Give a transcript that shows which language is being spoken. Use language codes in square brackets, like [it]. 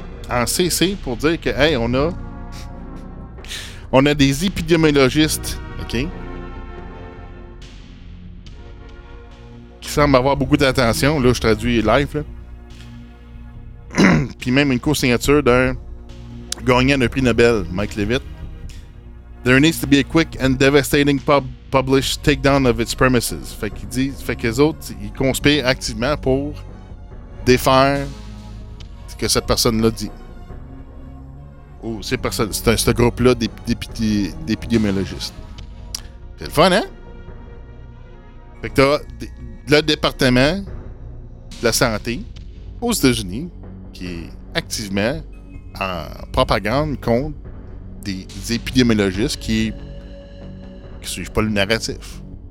[fr] en CC pour dire que, hey, on a des épidémiologistes, OK, qui semblent avoir beaucoup d'attention. Là, je traduis live, là. Puis même une co-signature d'un gagnant de prix Nobel, Mike Leavitt. [en] There needs to be a quick and devastating published takedown of its premises. [fr] Fait qu'ils disent, fait qu'eux autres, ils conspirent activement pour défaire ce que cette personne-là dit. Ou ces personnes, c'est un groupe-là d'épidémiologistes. C'est le fun, hein? Fait que t'as le département de la santé aux États-Unis qui est activement en propagande contre des épidémiologistes qui suivent pas le narratif.